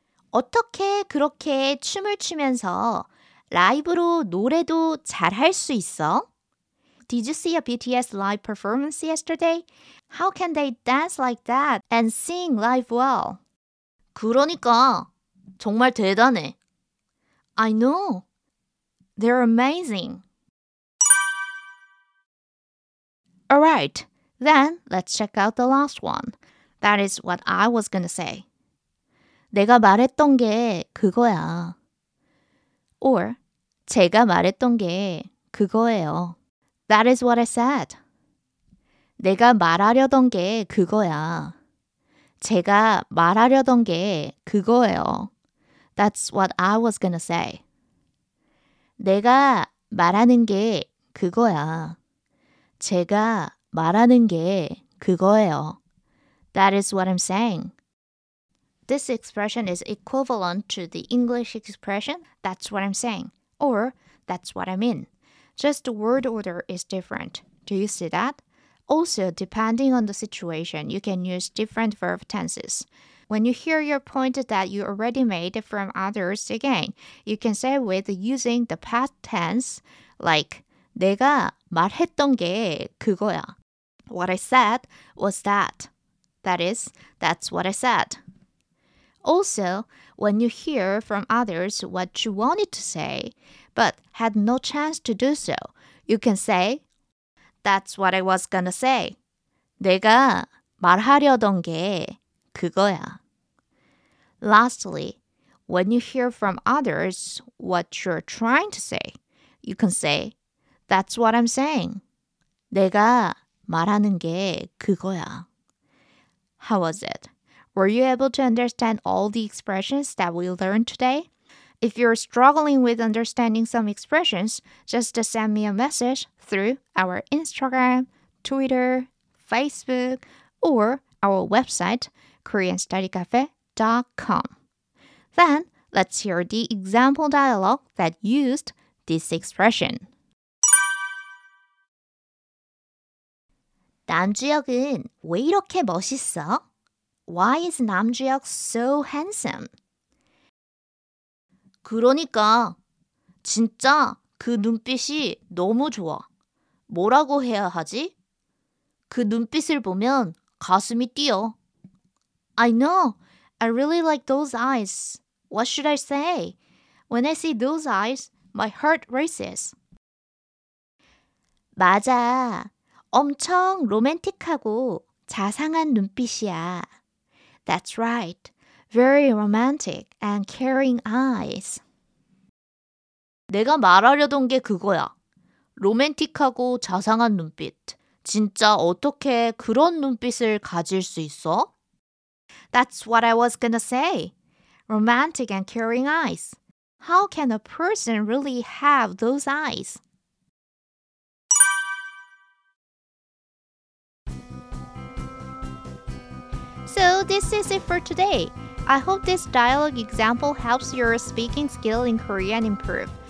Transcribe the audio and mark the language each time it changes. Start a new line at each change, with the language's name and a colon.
Korean: 어떻게 그렇게 춤을 추면서 라이브로 노래도 잘할 수 있어?
English: Did you see a BTS live performance yesterday? How can they dance like that and sing live well? 그러니까 정말 대단해. I know. They're amazing. All right, then let's check out the last one. That is what I was gonna say.
Korean: 내가 말했던 게 그거야. Or 제가 말했던 게 그거예요.
English: That is what I said.
Korean: 내가 말하려던 게 그거야. 제가 말하려던 게 그거예요.
English: That's what I was gonna say.
Korean: 내가 말하는 게 그거야. 제가 말하는 게 그거예요.
English: That is what I'm saying. This expression is equivalent to the English expression, that's what I'm saying, or that's what I mean. Just the word order is different. Do you see that? Also, depending on the situation, you can use different verb tenses. When you hear your point that you already made from others again, you can say with using the past tense, like
Korean: 내가 말했던 게 그거야.
English: What I said was that. That is, that's what I said. Also, when you hear from others what you wanted to say, but had no chance to do so, you can say, That's what I was gonna say.
Korean: 내가 말하려던 게 그거야.
English: Lastly, when you hear from others what you're trying to say, you can say, That's what I'm saying.
Korean: 내가 말하는 게 그거야.
English: How was it? Were you able to understand all the expressions that we learned today? If you're struggling with understanding some expressions, just send me a message through our Instagram, Twitter, Facebook, or our website, koreanstudycafe.com. Then, let's hear the example dialogue that used this expression.
Korean: 남주혁은 왜 이렇게 멋있어?
English: Why is 남주혁 so handsome?
Korean: 그러니까 진짜 그 눈빛이 너무 좋아. 뭐라고 해야 하지? 그 눈빛을 보면 가슴이 뛰어.
English: I know. I really like those eyes. What should I say? When I see those eyes, my heart races.
Korean: 맞아. 엄청 로맨틱하고 자상한 눈빛이야.
English: That's right. Very romantic and caring eyes.
Korean: 내가 말하려던 게 그거야. 로맨틱하고 자상한 눈빛. 진짜 어떻게 그런 눈빛을 가질 수 있어?
English: That's what I was gonna say. Romantic and caring eyes. How can a person really have those eyes? 'S it for today. I hope this dialogue example helps your speaking skill in Korean improve.